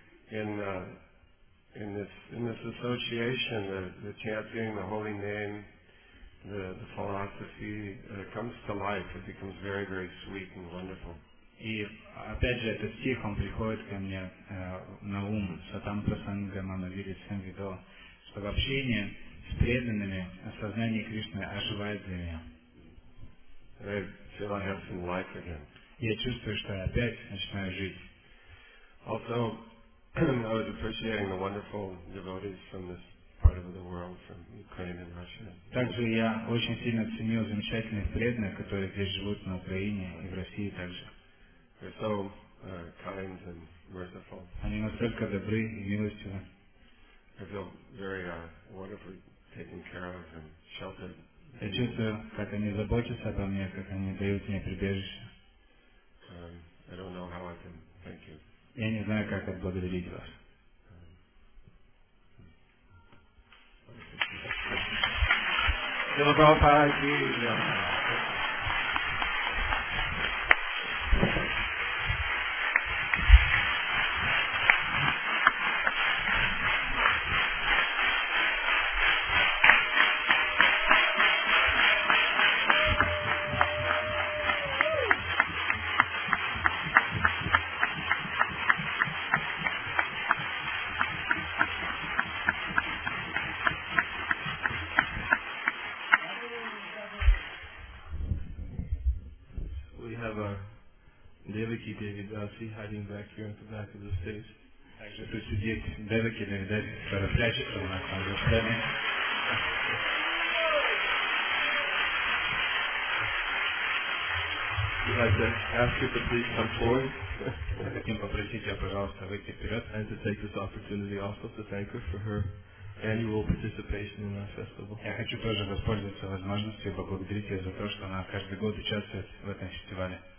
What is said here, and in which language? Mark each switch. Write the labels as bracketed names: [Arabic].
[English] In this association, the chanting, the holy name, the philosophy, comes to life. It becomes very, very sweet and wonderful. [Russian] И опять же этот стих, он приходит ко мне на ум, Сатам Прасангам, Бхамадхи Сампидо, что в общении с преданными осознание Кришны оживает для меня. [English] Feel I have some life again. [Russian] Я чувствую, что я опять начинаю жить. [English] Also, I was appreciating the wonderful devotees from this part of the world, from Ukraine and Russia. [Russian] Также я очень сильно ценил замечательных преданных, которые здесь живут на Украине и в России также. [English] They're so kind and merciful. [Russian] Они настолько добры и милостивы. [English] I feel very wonderfully taken care of and sheltered. [Russian] Я чувствую, как они заботятся обо мне, как они дают мне прибежище. [English] I don't know how I can thank you. [Russian] Я не знаю, как отблагодарить вас. [English] Hiding back here at the back of the stage. [Russian] Также тут сидит Девики Девидаси, которая прячется у нас на сцене. [English] I'd like to ask you to please come forward. [Russian] Хотим попросить тебя, пожалуйста, выйти вперед. [English] And to take this opportunity also to thank her for her annual participation in our festival. [Russian] Я хочу тоже воспользоваться возможностью и поблагодарить ее за то, что она каждый год участвует в этом фестивале.